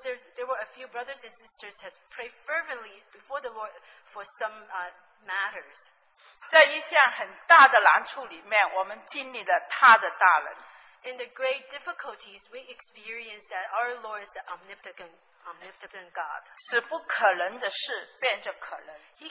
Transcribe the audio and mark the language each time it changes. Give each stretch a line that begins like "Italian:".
English: there were a few brothers and sisters had prayed fervently before the Lord for some matters.
Chinese: 在一项很大的难处里面，我们经历了他的大能。
English: In the great difficulties, we experienced that our Lord is the omnipotent God.
Chinese: 使不可能的事变成可能。
English: He